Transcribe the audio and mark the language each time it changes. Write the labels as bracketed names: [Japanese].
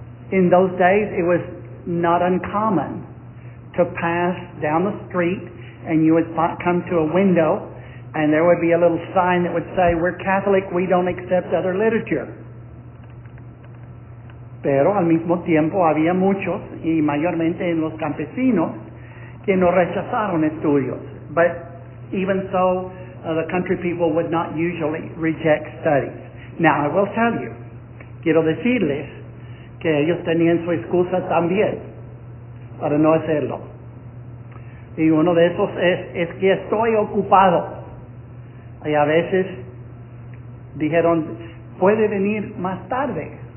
[English] In those days, it was not uncommon to pass down the street and you would come to a window and there would be a little sign that would say, we're Catholic, we don't accept other literature. [Spanish] Pero al mismo tiempo había muchos, y mayormente en los campesinos, que no rechazaron estudios. [English] But even so, the country people would not usually reject studies. Now, I will tell you, [Spanish] quiero decirles que ellos tenían su excusa también para no hacerlo. Y uno de esos es que estoy ocupado. Y a veces dijeron, puede venir más tarde.